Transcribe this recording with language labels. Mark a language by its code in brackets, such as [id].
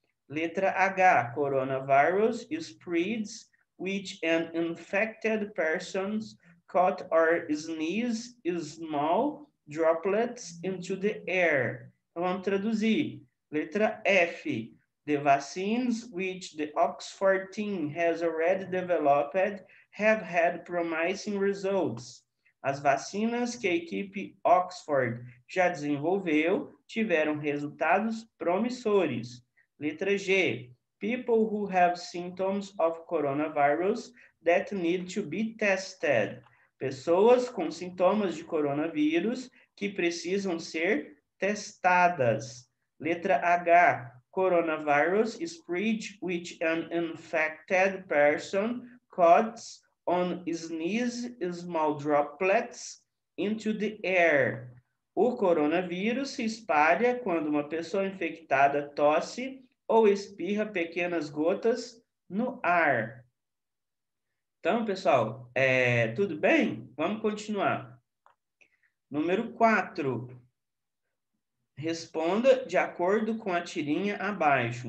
[pt] Letra H. [en] Coronavirus spreads which an infected person's cough or sneeze small droplets into the air. [pt] Então, vamos traduzir. Letra F. [en] The vaccines which the Oxford team has already developed have had promising results. [pt] As vacinas que a equipe Oxford já desenvolveu tiveram resultados promissores. Letra G. [en] People who have symptoms of coronavirus that need to be tested. [pt] Pessoas com sintomas de coronavírus que precisam ser testadas. Letra H. [en] Coronavirus spread which an infected person coughs on sneeze small droplets into the air. [pt] O coronavírus se espalha quando uma pessoa infectada tosse ou espirra pequenas gotas no ar. Então, pessoal, tudo bem? Vamos continuar. Número 4. Responda de acordo com a tirinha abaixo.